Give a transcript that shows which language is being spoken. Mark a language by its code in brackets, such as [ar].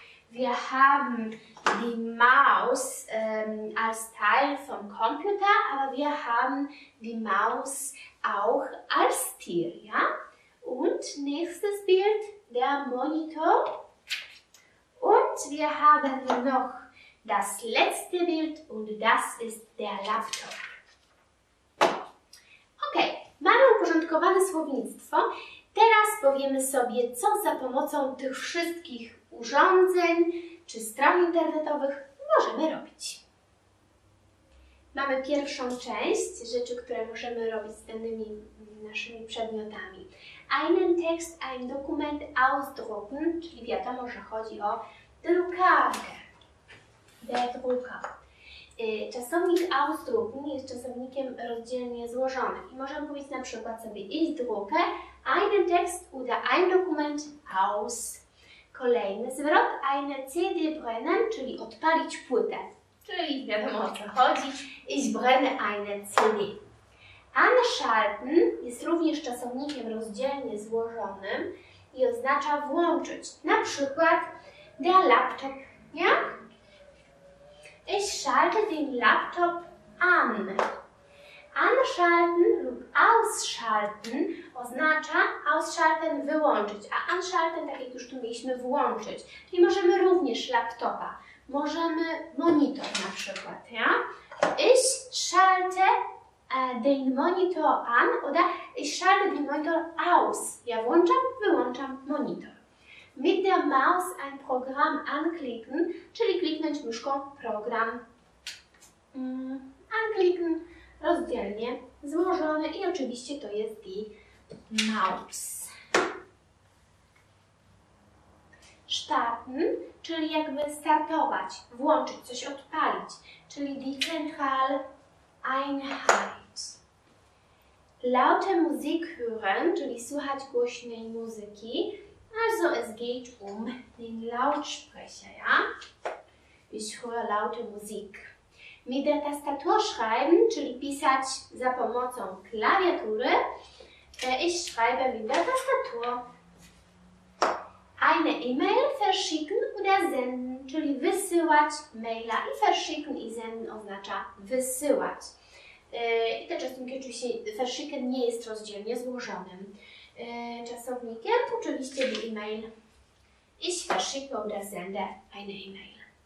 [de] Wir haben die Maus als Teil vom Computer, aber wir haben die Maus auch als Tier, ja? Und nächstes Bild, der Monitor. Und wir haben noch das letzte Bild und das ist der Laptop. [pl] Okay, mamy uporządkowane słownictwo. Teraz powiemy sobie, co za pomocą tych wszystkich urządzeń czy stron internetowych możemy robić. Mamy pierwszą część rzeczy, które możemy robić z danymi naszymi przedmiotami. [de] Einen Text, ein Dokument ausdrucken, [pl] czyli wiadomo, że chodzi o drukarkę. [de] Der Drucker. [pl] Czasownik ausdrucken jest czasownikiem rozdzielnie złożonym. I możemy powiedzieć na przykład sobie [de] ich drucke einen Text oder ein Dokument aus. [pl] Kolejny zwrot, [de] eine CD brennen, [pl] czyli odpalić płytę. Czyli wiadomo, o co chodzi. [de] Ich brenne eine CD. [pl] Anschalten jest również czasownikiem rozdzielnie złożonym i oznacza włączyć. Na przykład [de] der Laptop, ja? Ich schalte den Laptop an. [pl] Anschalten lub ausschalten oznacza ausschalten wyłączyć, a anschalten, tak jak już tu mieliśmy, włączyć. Czyli możemy również laptopa, możemy monitor na przykład, ja? [de] Ich schalte den Monitor an oder ich schalte den Monitor aus. [pl] Ja włączam, wyłączam monitor. [de] Mit der Maus ein Programm anklicken, [pl] czyli kliknąć myszką program. Anklicken. Rozdzielnie złożone i oczywiście to jest die Maus. Starten, czyli jakby startować, włączyć, coś odpalić, czyli die Zentraleinheit. [de] Laute Musik hören, [pl] czyli słuchać głośnej muzyki, [de] also es geht den Lautsprecher, ja? Ich höre laute Musik. Mit der Tastatur schreiben, [pl] czyli pisać za pomocą klawiatury. [de] Ich schreibe mit der Tastatur. Eine E-Mail verschicken oder senden, [pl] czyli wysyłać maila. I verschicken i senden oznacza wysyłać. I te czasunki oczywiście, werszykiem nie jest rozdzielnie złożonym czasownikiem, oczywiście die E-Mail. [de] Ich verschicke oder sende eine E-Mail.